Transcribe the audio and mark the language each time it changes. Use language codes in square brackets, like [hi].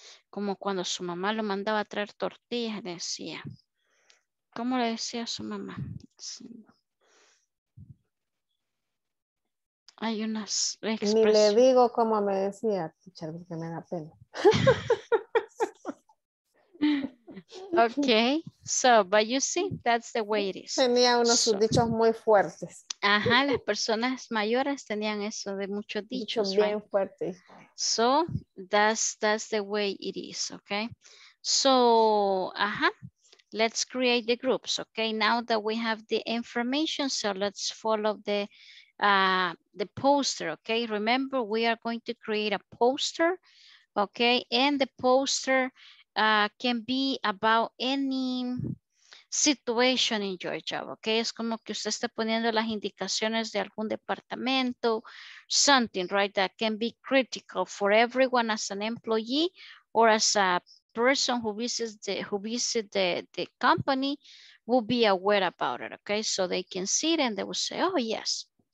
[es] Como cuando su mamá lo mandaba a traer tortillas, decía. ¿Cómo le decía su mamá? Hay unas expresiones. Ni le digo como me decía, teacher, porque me da pena. [en] Okay, so, but you see, that's the way it is. [es] Tenía unos sus dichos muy fuertes. Ajá, las personas mayores tenían eso de muchos dichos, dicho bien [en] right? [es] Fuerte. [en] So, that's the way it is, okay? So, ajá. Let's create the groups, okay? Now that we have the information, so let's follow the poster, okay? Remember, we are going to create a poster, okay? And the poster can be about any situation in your job, okay? [es] Es como que usted está poniendo las indicaciones de algún departamento, something, right? [en] That can be critical for everyone as an employee or as a person who visits the company will be aware about it, okay? So they can see it and they will say, oh, yes.